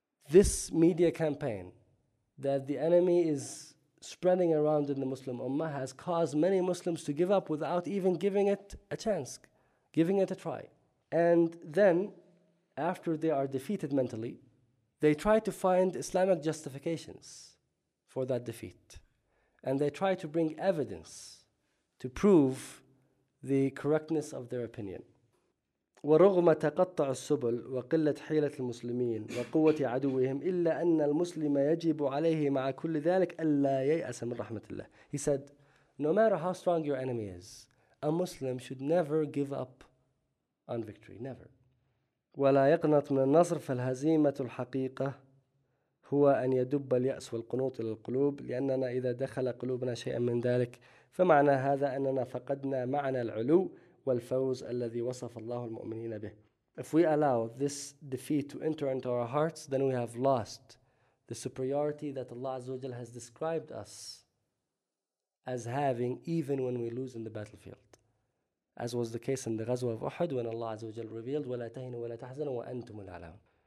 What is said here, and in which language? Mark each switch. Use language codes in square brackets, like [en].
[en] This media campaign that the enemy is spreading around in the Muslim Ummah has caused many Muslims to give up without even giving it a chance, giving it a try. And then, after they are defeated mentally, they try to find Islamic justifications for that defeat. And they try to bring evidence to prove the correctness of their opinion. [ar] ورغم تقطع السبل وقلة حيلة المسلمين وقوة عدوهم إلا أن المسلم يجب عليه مع كل ذلك ألا ييأس من رحمة الله. [en] He said, no matter how strong your enemy is, a Muslim should never give up on victory, never. [ar] ولا يقنط من النصر فالهزيمة الحقيقة هو أن يدب اليأس والقنوط إلى القلوب, لأننا إذا دخل قلوبنا شيئا من ذلك فمعنى هذا أننا فقدنا معنى العلو والفوز الذي وصف الله المؤمنين به. [en] If we allow this defeat to enter into our hearts, then we have lost the superiority that Allah Azza wa Jalla has described us as having even when we lose in the battlefield. As was the case in the Ghazwa of Uhud when Allah Azza wa Jalla revealed, [ar] وَلَا تَهِنُوا وَلَا تَحْزَنُوا وَأَنْتُمُ الْعَلَوْنَ.